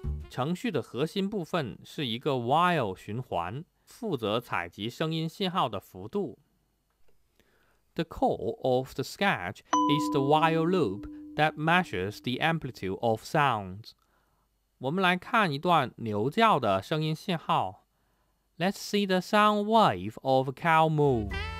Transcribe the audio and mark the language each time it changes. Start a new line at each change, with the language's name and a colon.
Chinese: 程序的核心部分是一个 while 循环。负责采集声音信号的幅度。
English: The core of the sketch is the while loop that measures the amplitude of sounds.
Chinese: 我们来看一段牛叫的声音信号。
English: Let's see the sound wave of a cow moo.